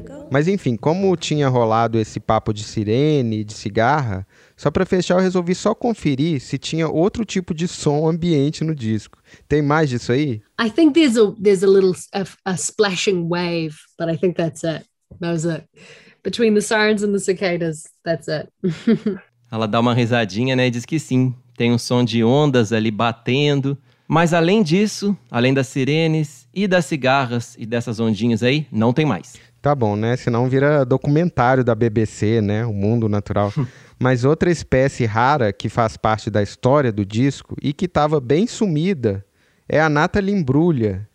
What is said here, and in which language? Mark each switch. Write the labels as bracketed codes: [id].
[pt] Mas enfim, como tinha rolado esse papo de sirene e de cigarra, só para fechar, eu resolvi só conferir se tinha outro tipo de som ambiente no disco. Tem mais disso aí? [en] I think there's a little a splashing wave, but I think that's it. That was it. Between the sirens and the cicadas, that's it. [pt] Ela dá uma risadinha, né, e diz que sim, tem um som de ondas ali batendo. Mas além disso, além das sirenes e das cigarras e dessas ondinhas aí, não tem mais. Tá bom, né? Senão vira documentário da BBC, né? O Mundo Natural. Mas outra espécie rara que faz parte da história do disco e que estava bem sumida é a Nathalie Imbruglia.